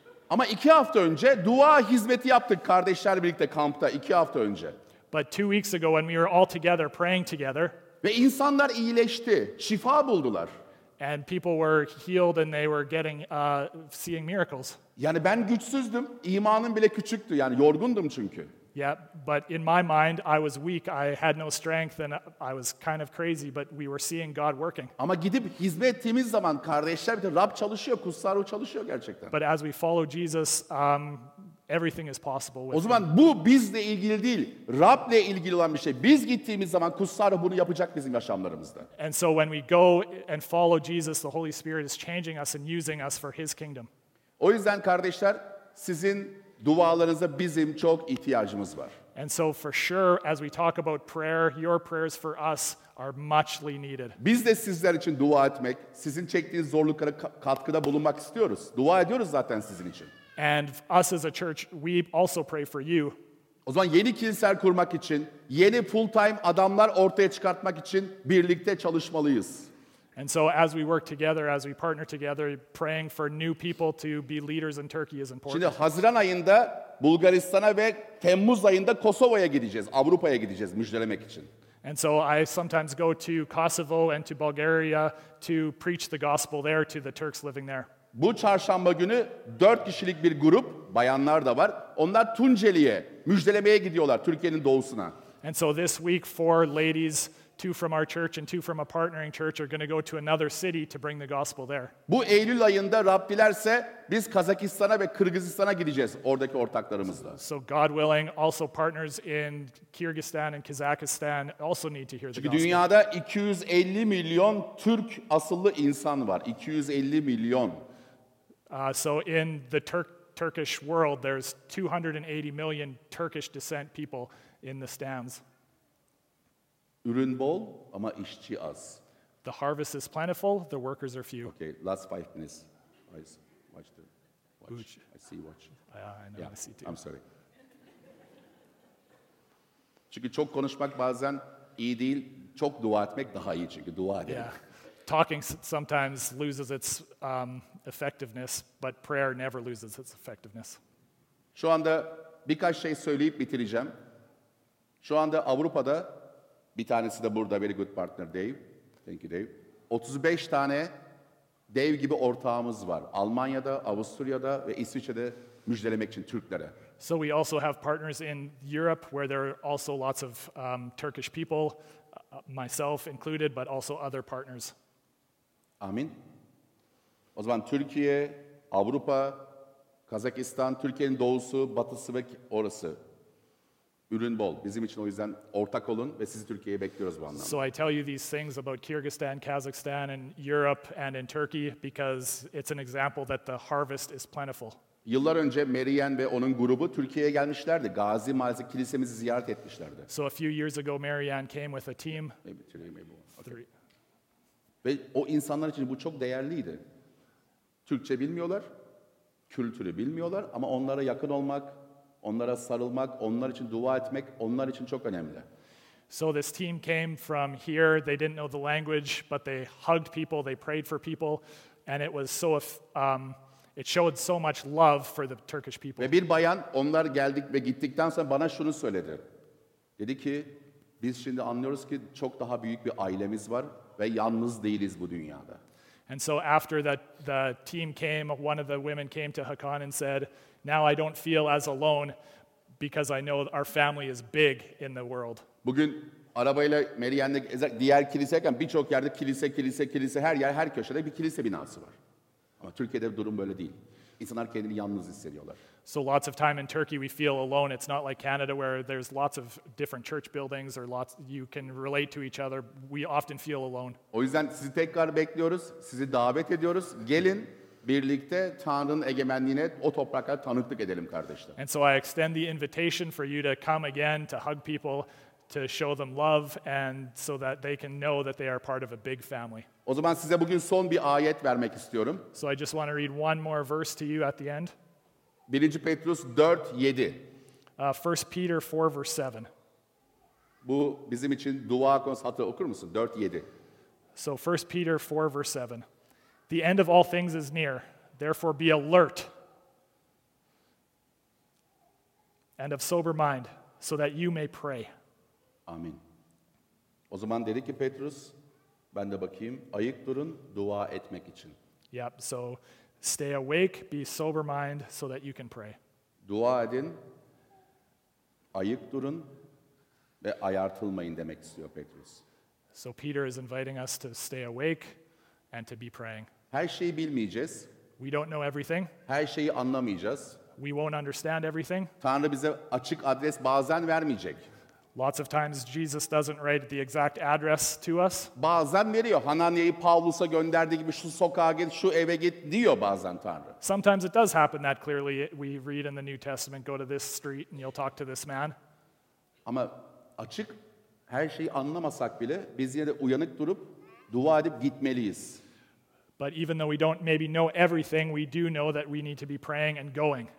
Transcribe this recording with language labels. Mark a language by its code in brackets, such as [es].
[tr] Ama 2 hafta önce dua hizmeti yaptık kardeşler birlikte kampta 2 hafta önce. [en] But 2 weeks ago when we were all together praying together. [tr] Ve insanlar iyileşti, şifa buldular. [en] And people were healed and they were getting seeing miracles. [tr] Yani ben güçsüzdüm, imanım bile küçüktü. Yani yorgundum çünkü. [en] Yeah, but in my mind I was weak. I had no strength and I was kind of crazy, but we were seeing God working. [tr] Ama gidip hizmet ettiğimiz zaman kardeşler bir de Rab çalışıyor, kutsal ruh çalışıyor gerçekten. [en] But as we follow Jesus, everything is possible with [tr] him. O zaman bu bizle ilgili değil, Rab'le ilgili olan bir şey. Biz gittiğimiz zaman kutsal ruh bunu yapacak bizim yaşamlarımızda. [en] And so when we go and follow Jesus, the Holy Spirit is changing us and using us for his kingdom. [tr] O yüzden kardeşler sizin dualarınıza bizim çok ihtiyacımız var. [en] And so for sure as we talk about prayer, your prayers for us are muchly needed. [tr] Biz de sizler için dua etmek, sizin çektiğiniz zorluklara katkıda bulunmak istiyoruz. Dua ediyoruz zaten sizin için. [en] And us as a church, we also pray for you. [tr] O zaman yeni kiliseler kurmak için, yeni full-time adamlar ortaya çıkartmak için birlikte çalışmalıyız. [en] And so as we work together, as we partner together, praying for new people to be leaders in Turkey is important. [tr] Şimdi Haziran ayında Bulgaristan'a ve Temmuz ayında Kosova'ya gideceğiz, Avrupa'ya gideceğiz müjdelemek için. [en] And so I sometimes go to Kosovo and to Bulgaria to preach the gospel there to the Turks living there. [tr] Bu çarşamba günü 4 kişilik bir grup, bayanlar da var, onlar Tunceli'ye müjdelemeye gidiyorlar, Türkiye'nin doğusuna. [en] And so this week 4 ladies, 2 from our church and 2 from a partnering church are going to go to another city to bring the gospel there. [tr] Bu Eylül ayında Rab dilerse biz Kazakistan'a ve Kırgızistan'a gideceğiz oradaki ortaklarımızla. [en] So God willing, also partners in Kyrgyzstan and Kazakhstan also need to hear the gospel. [tr] Çünkü dünyada 250 milyon Türk asıllı insan var. 250 milyon. [en] So in the Turkish world there's 280 million Turkish descent people in the stands. [tr] Ürün bol ama işçi az. [en] The harvest is plentiful, the workers are few. Okay, last 5 minutes. Watch. I see watch. I know. I see too. I'm sorry. [tr] Çünkü çok konuşmak bazen iyi değil, çok dua etmek daha iyi çünkü dua edelim. [en] Yeah. Talking sometimes loses its effectiveness, but prayer never loses its effectiveness. [tr] Şu anda birkaç şey söyleyip bitireceğim. Şu anda Avrupa'da bir tanesi de burada, [en] very good partner [tr] Dave. [en] Thank you [tr] Dave. 35 tane Dave gibi ortağımız var. Almanya'da, Avusturya'da ve İsviçre'de müjdelemek için Türklere. [en] So we also have partners in Europe where there are also lots of Turkish people, myself included, but also other partners. [tr] Amin. O zaman Türkiye, Avrupa, Kazakistan, Türkiye'nin doğusu, batısı ve orası. Ürün bol. Bizim için o yüzden ortak olun ve sizi Türkiye'ye bekliyoruz bu anlamda. [en] So I tell you these things about Kyrgyzstan, Kazakhstan and Europe and in Turkey because it's an example that the harvest is plentiful. [tr] Yıllar önce Marianne ve onun grubu Türkiye'ye gelmişlerdi. Gazi Mahallesi kilisemizi ziyaret etmişlerdi. [en] So a few years ago Marianne came with a team. Maybe two, maybe one. Okay. [tr] Ve o insanlar için bu çok değerliydi. Türkçe bilmiyorlar, kültürü bilmiyorlar ama onlara yakın olmak, onlara sarılmak, onlar için dua etmek onlar için çok önemli. [en] So this team came from here. They didn't know the language, but they hugged people, they prayed for people, and it was so it showed so much love for the Turkish people. [tr] Ve bir bayan onlar geldik ve gittikten sonra bana şunu söyledi. Dedi ki biz şimdi anlıyoruz ki çok daha büyük bir ailemiz var ve yalnız değiliz bu dünyada. [en] And so after that the team came, one of the women came to Hakan and said, "Now I don't feel as alone because I know our family is big in the world." [tr] Bugün arabayla Meryem'le diğer kiliseyken birçok yerde kilise her yer her köşede bir kilise binası var. Ama Türkiye'de durum böyle değil. İnsanlar kendini yalnız hissediyorlar. [en] So lots of time in Turkey we feel alone. It's not like Canada where there's lots of different church buildings or lots you can relate to each other. We often feel alone. [tr] O yüzden sizi tekrar bekliyoruz. Sizi davet ediyoruz. Gelin birlikte Tanrı'nın egemenliğine o topraklara tanıklık edelim kardeşler. [en] And so I extend the invitation for you to come again to hug people, to show them love and so that they can know that they are part of a big family. [tr] O zaman size bugün son bir ayet vermek istiyorum. [en] So I just want to read one more verse to you at the end. [tr] 1. Petrus 4:7. [en] 1 Peter 4 verse 7. [tr] Bu bizim için dua konusu hatta okur musun? 4:7. [en] So 1 Peter 4 verse 7. The end of all things is near. Therefore be alert and of sober mind so that you may pray. [tr] Amin. O zaman dedi ki Petrus, ben de bakayım, ayık durun dua etmek için. [en] Yep, so stay awake, be sober mind so that you can pray. [tr] Dua edin, ayık durun ve ayartılmayın demek istiyor Petrus. [en] So Peter is inviting us to stay awake and to be praying. [tr] Her şeyi bilmeyeceğiz. [en] We don't know everything. [tr] Her şeyi anlamayacağız. [en] We won't understand everything. [tr] Tanrı bize açık adres bazen vermeyecek. [en] Lots of times Jesus doesn't write the exact address to us. [tr] Bazen veriyor. Hananiye'yi Pavlus'a gönderdiği gibi şu sokağa git, şu eve git diyor bazen Tanrı. [en] Sometimes it does happen that clearly we read in the New Testament, go to this street and you'll talk to this man. [tr] Ama açık her şeyi anlamasak bile biz yine de uyanık durup dua edip gitmeliyiz. [en] But even though we don't maybe know everything, we do know that we need to be praying and going.